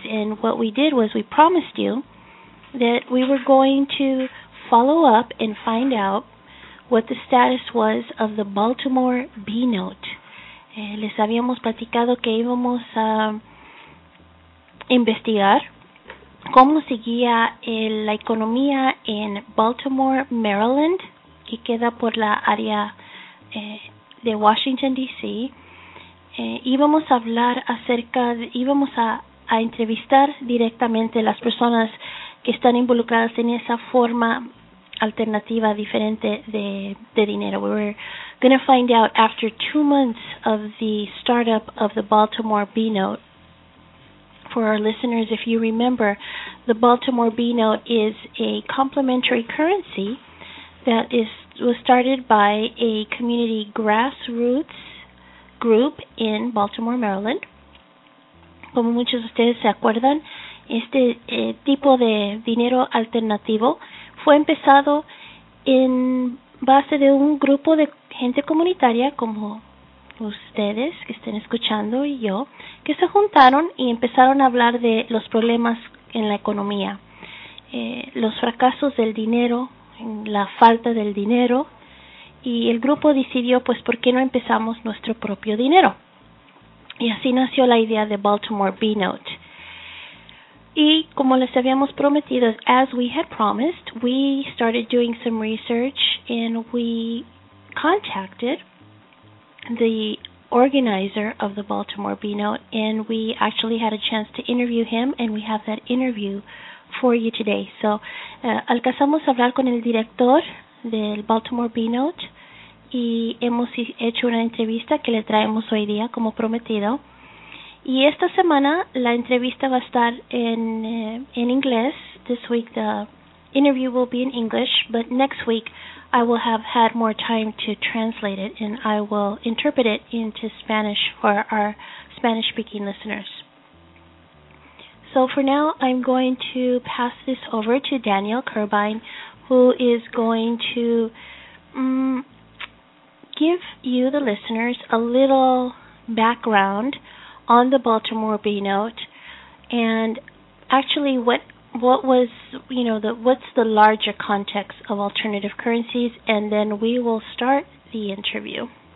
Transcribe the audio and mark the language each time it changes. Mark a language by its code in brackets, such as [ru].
[en] And what we did was we promised you that we were going to follow up and find out what the status was of the Baltimore B-note. [es] Les habíamos platicado que íbamos a investigar cómo seguía la economía en Baltimore, Maryland, que queda por la área de Washington, D.C. Íbamos a hablar acerca, íbamos a entrevistar directamente las personas que están involucradas en esa forma alternativa diferente de dinero. [en] We were going to find out after 2 months of the startup of the Baltimore B-note. For our listeners, if you remember, the Baltimore B-note is a complementary currency that was started by a community grassroots group in Baltimore, Maryland. [es] Como muchos de ustedes se acuerdan, este tipo de dinero alternativo fue empezado en base de un grupo de gente comunitaria como ustedes que estén escuchando y yo, que se juntaron y empezaron a hablar de los problemas en la economía, los fracasos del dinero, la falta del dinero, y el grupo decidió, pues, ¿por qué no empezamos nuestro propio dinero? Y así nació la idea de Baltimore B-Note. Y como les habíamos prometido, [en] as we had promised, we started doing some research and we contacted the organizer of the Baltimore B-Note, and we actually had a chance to interview him, and we have that interview for you today. [es] So, alcanzamos a hablar con el director del Baltimore B-Note y hemos hecho una entrevista que le traemos hoy día, como prometido. Y esta semana la entrevista va a estar en inglés. [en] This week the interview will be in English, but next week I will have had more time to translate it and I will interpret it into Spanish for our Spanish-speaking listeners. So for now, I'm going to pass this over to Danielle Kerbine, who is going to give you, the listeners, a little background on the Baltimore B-note, and actually what was, you know, what's the larger context of alternative currencies, and then we will start the interview.